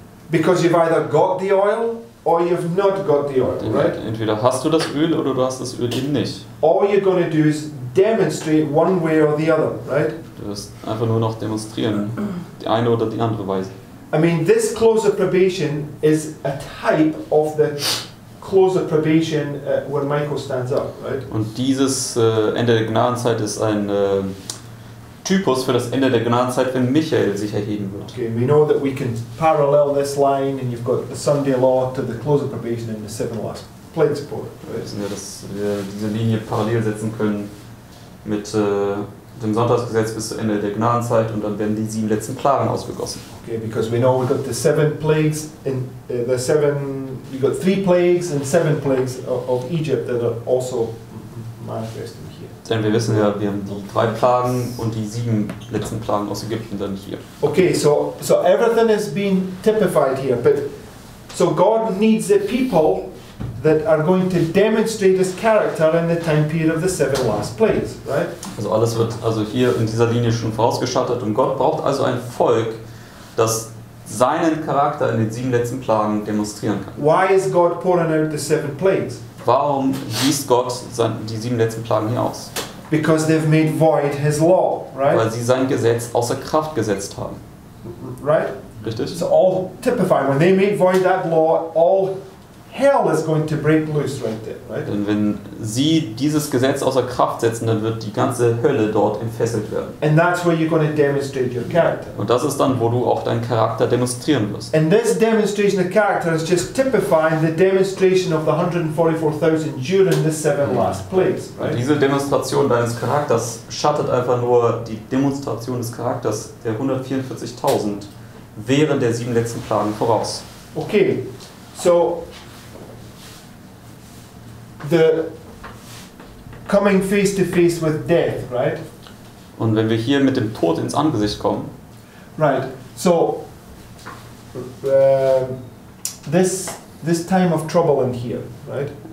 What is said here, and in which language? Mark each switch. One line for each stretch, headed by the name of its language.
English: Because you've either got the oil or you've not got the oil, right?
German: Entweder hast du das Öl oder du hast das Öl eben nicht.
English: All you're going to do is demonstrate one way or the other, right?
German: Du wirst einfach nur noch demonstrieren, die eine oder die andere Weise.
English: I mean, this close of probation is a type of the close of probation when Michael stands up, right?
German: Und dieses Ende der Gnadenzeit ist ein Typus für das Ende der Gnadenzeit, wenn Michael sich erheben wird.
English: Okay, we know that we can parallel this line, and you've got the Sunday law to the close of probation in the seven last plagues report.
German: Wir wissen ja, dass wir diese Linie parallel setzen können mit dem Sonntagsgesetz bis zum Ende der Gnadenzeit, und dann werden die sieben letzten Plagen ausgegossen.
English: Okay, because we know we've got the seven plagues in the seven. You've got three plagues and seven plagues of Egypt that are also manifesting.
German: Denn wir wissen ja, wir haben die drei Plagen und die sieben letzten Plagen aus Ägypten dann hier.
English: Okay, so everything is being typified here, but so God needs the people that are going to demonstrate his character in the time period of the seven last plagues, right?
German: Also alles wird also hier in dieser Linie schon vorausgeschattet, und Gott braucht also ein Volk, das seinen Charakter in den sieben letzten Plagen demonstrieren kann.
English: Why is God pouring out the seven plagues?
German: Warum gießt Gott die sieben letzten Plagen hier aus?
English: Because they've made void his law, right?
German: Weil sie sein Gesetz außer Kraft gesetzt haben.
English: Right?
German: Richtig.
English: So all typified. When they made void that law, all hell is going to break loose right there, right?
German: Denn wenn sie dieses Gesetz außer Kraft setzen, dann wird die ganze Hölle dort entfesselt werden.
English: And that's where you're going to demonstrate your character.
German: Und das ist dann, wo du auch deinen Charakter demonstrieren wirst.
English: And this demonstration of character is just typifying the demonstration of the 144,000 during the seven last plagues, right?
German: Und diese Demonstration deines Charakters schattet einfach nur die Demonstration des Charakters der 144,000 während der sieben letzten Plagen voraus.
English: Okay, so the coming face to face with death, right?
German: Und wenn wir hier mit dem Tod ins Angesicht kommen.
English: Right. So this time of trouble in here, right?